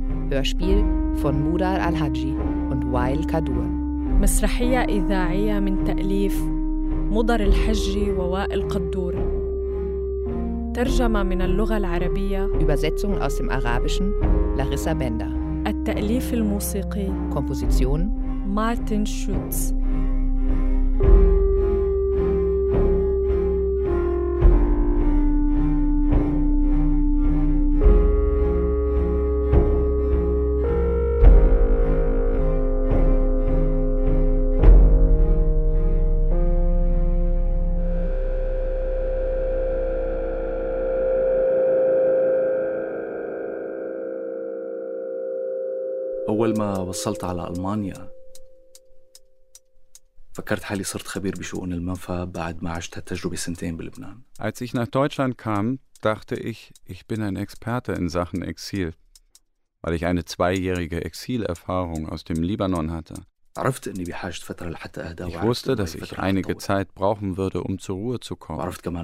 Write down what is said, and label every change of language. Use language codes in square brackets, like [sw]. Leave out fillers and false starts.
[de] Hörspiel von Mudar Al-Hajji und Wael Kadur. [ar] مسرحية إذاعية من تأليف مضر الحجي ووائل قدور. ترجمة من اللغة العربية. [de] Übersetzung aus dem Arabischen Larissa Bender. [ar] التأليف الموسيقي. [de] Komposition Martin Schütz. [ar] أول ما وصلت على ألمانيا فكرت حالي صرت خبير بشؤون المنفى بعد ما عشت هالتجربة سنتين بلبنان. [de] Als ich nach Deutschland kam, dachte ich, ich bin ein Experte in Sachen Exil, weil ich eine zweijährige Exilerfahrung aus dem Libanon hatte. Ich wusste, dass ich einige Zeit brauchen würde, um zur Ruhe zu kommen.